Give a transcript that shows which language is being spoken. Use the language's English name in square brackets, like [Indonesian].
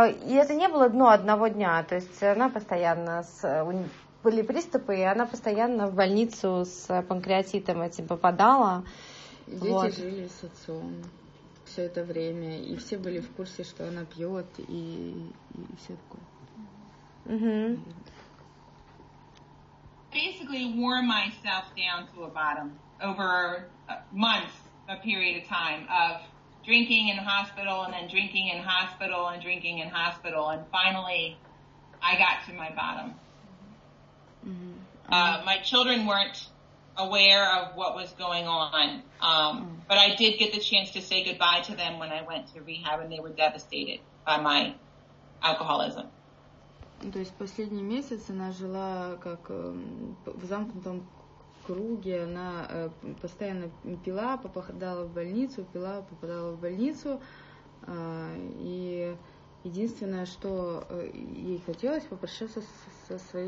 [Russian] И это не было дно одного дня, то есть она постоянно были приступы, и она постоянно в больницу с панкреатитом этим попадала. Дети вот. Жили с отцом все это время, и все были в курсе, что она пьет, и все такое. [English] Basically wore myself down to a bottom over months, a period of time of drinking in hospital, and then drinking in hospital, and drinking in hospital, and finally, I got to my bottom. My children weren't aware of what was going on, but I did get the chance to say goodbye to them when I went to rehab, and they were devastated by my alcoholism. [Russian] То есть последний месяц она жила как в замкнутом круге, она постоянно пила, попадала в больницу, пила, попадала в больницу. И единственное, что ей хотелось, попрощаться со своими